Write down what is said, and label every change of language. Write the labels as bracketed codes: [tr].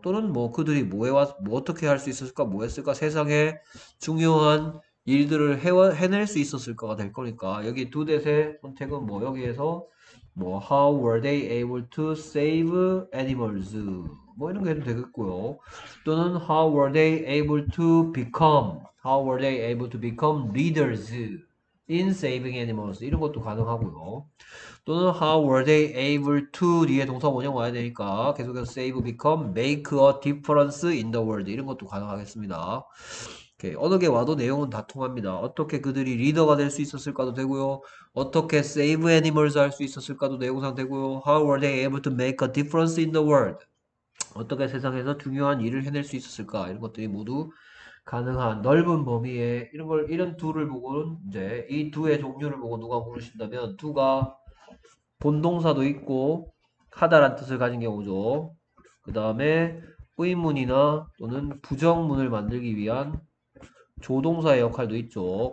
[ko] 또는 뭐, 그들이 뭐 어떻게 할수 있었을까? 뭐 했을까? 세상에 중요한 일들을 해낼 수 있었을까가 될 거니까. 여기 두 대세 선택은 뭐, 여기에서, 뭐, [en] How were they able to save animals? [ko] 뭐 이런 거 해도 되겠고요. 또는 [en] How were they able to become? How were they able to become leaders in saving animals? [ko] 이런 것도 가능하고요. 또는 [en] How were they able to? [ko] 뒤에 동사 원형 와야 되니까 계속해서 save, become, [en] make a difference in the world. [ko] 이런 것도 가능하겠습니다. 오케이. 어느 게 와도 내용은 다 통합니다. 어떻게 그들이 리더가 될수 있었을까도 되고요. 어떻게 [en] save animals [ko] 할수 있었을까도 내용상 되고요. [en] How were they able to make a difference in the world? [ko] 어떻게 세상에서 중요한 일을 해낼 수 있었을까? 이런 것들이 모두 가능한 넓은 범위에 이런 둘을 보고는 이제 이 두의 종류를 보고 누가 고르신다면 두가 본동사도 있고 하다란 뜻을 가진 경우죠. 그 다음에 의문이나 또는 부정문을 만들기 위한 조동사의 역할도 있죠.